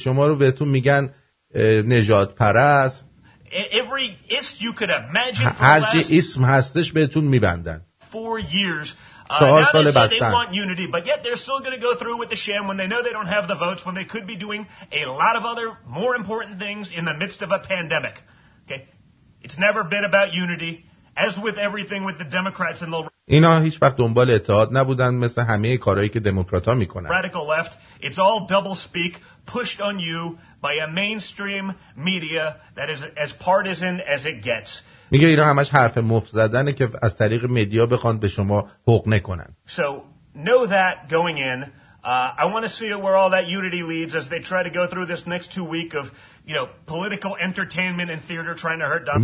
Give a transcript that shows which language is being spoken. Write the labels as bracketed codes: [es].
[fa] شما رو بهتون میگن نژاد پرست. [en] Every ist you could imagine. [fa] هر چی اسم هستش بهتون میبندن. [en] 4 years. [fa] چهار سال بستن. [en] They want unity, but yet they're still going to go through with the sham when they know they don't have the votes, when they could be doing a lot of other more important things in the midst of a pandemic. Okay, it's never been about unity, as with everything with the Democrats and the. [fa] اینا هیچ وقت دنبال اتحاد نبودن مثل همه کارهایی که دموکرات‌ها میکنن. [en] Radical left, it's all double speak pushed on you by a mainstream media that is as partisan as it gets. [fa] میگه اینا همش حرف مفت زدنه که از طریق مدیا بخوان به شما حقنه کنن. [en] So know that going in, I want to see where all that unity leads as they try to go through this next 2 week of, you know, political entertainment and theater trying to hurt Donald.